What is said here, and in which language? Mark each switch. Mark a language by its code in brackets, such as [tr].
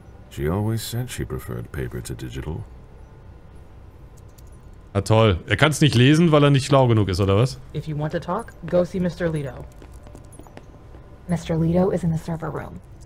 [en] She always said she preferred paper to digital. [de] Na toll. Er kann es nicht lesen, weil er nicht schlau genug ist, oder was? [en] If you want to talk, go see Mr. Leto. Mr. Leto is in the server room.